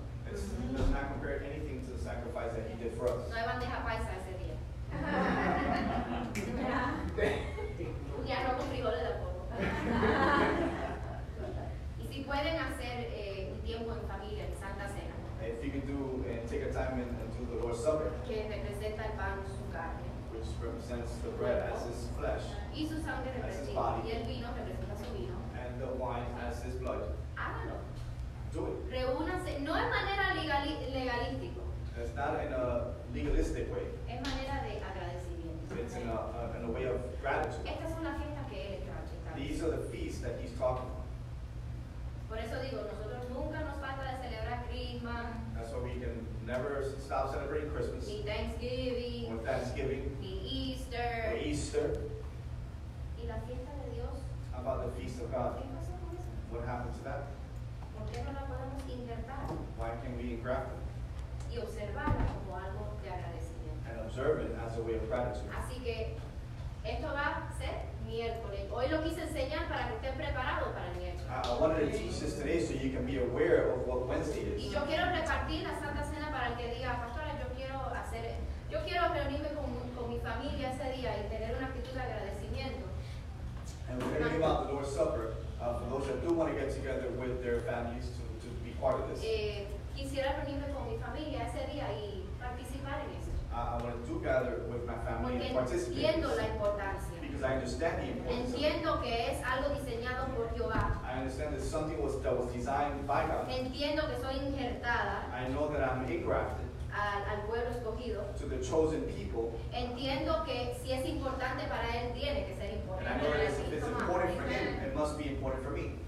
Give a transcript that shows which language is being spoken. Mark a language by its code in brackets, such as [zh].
[en] does not compare anything to the sacrifice that he did for us. [es] No hay bandeja paisa ese día. Un día no con frijoles tampoco. Y si pueden hacer un tiempo en familia, en Santa Cena. [en] If you can do and take a time and do the Lord's Supper. [es] Que representa el pan, su carne. [en] Which represents the bread as his flesh. [es] Y su sangre representa [en] his body. [es] Y el vino representa su vino. [en] And the wine as his blood. [es] Hágalo. [en] Do it. [es] Reúnanse, no es manera legalístico. [en] It's not in a legalistic way. [es] Es manera de agradecimiento. [en] It's in a way of gratitude. [es] Estas son las fiestas que él está hablando. [en] These are the feasts that he's talking about. [es] Por eso digo, nosotros nunca nos falta de celebrar Christmas. [en] That's why we can never stop celebrating Christmas. [es] Ni Thanksgiving. [en] Or Thanksgiving. [es] Ni Easter. [en] Or Easter. [es] Y la fiesta de Dios. [en] How about the feast of God? [es] ¿Qué pasa con eso? [en] What happened to that? Why can we engraft it? [es] Y observarlo como algo de agradecimiento. [en] And observe it as a way of gratitude. [es] Así que esto va a ser miércoles. Hoy lo quise enseñar para que estén preparados para el miércoles. [en] I wanted to teach this today so you can be aware of what Wednesday is. [es] Y yo quiero repartir la Santa Cena para el que diga, pastora, yo quiero reunirme con mi familia ese día y tener una actitud de agradecimiento. [en] And we're going to give out the Lord's Supper. For those that do want to get together with their families to be part of this. [es] Quisiera reunirme con mi familia ese día y participar en esto. [en] I want to gather with my family and participate. [es] Entiendo la importancia. [en] Because I understand the importance. [es] Entiendo que es algo diseñado por Jehová. [en] I understand that something that was designed by God. [es] Entiendo que soy injertada. [en] I know that I'm engrafted. [es] Al pueblo escogido. [en] To the chosen people. [es] Entiendo que si es importante para él, tiene que ser importante. [en] And I know that if it's important for him, it must be important for me.